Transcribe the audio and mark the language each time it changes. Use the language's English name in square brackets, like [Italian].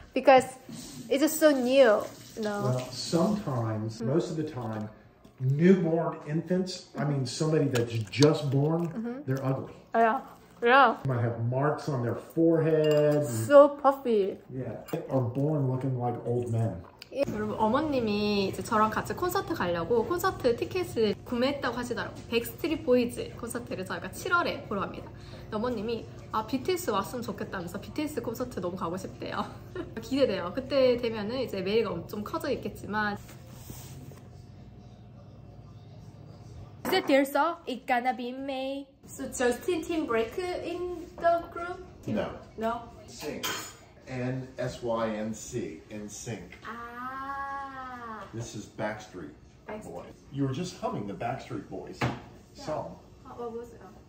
[English] because it's so new. No. Well, sometimes, most of the time, newborn infants, I mean somebody that's just born, they're ugly. Yeah. Might have marks on their forehead. So puffy. Yeah. They are born looking like old men. [Korean] 여러분 어머님이 이제 저랑 같이 콘서트 가려고 콘서트 티켓을 구매했다고 하시더라고요. 백스트리트 보이즈 콘서트를 저희가 7월에 보러 갑니다. 어머님이 아 BTS 왔으면 좋겠다면서 BTS 콘서트 너무 가고 싶대요. 기대돼요. 그때 되면은 이제 메리가 좀 커져 있겠지만 [English] Is it there so? It's gonna be me. So Justin Timberlake in the group? No. NSYNC, NSYNC. Ah. This is Backstreet Boys. You were just humming the Backstreet Boys song. What was it?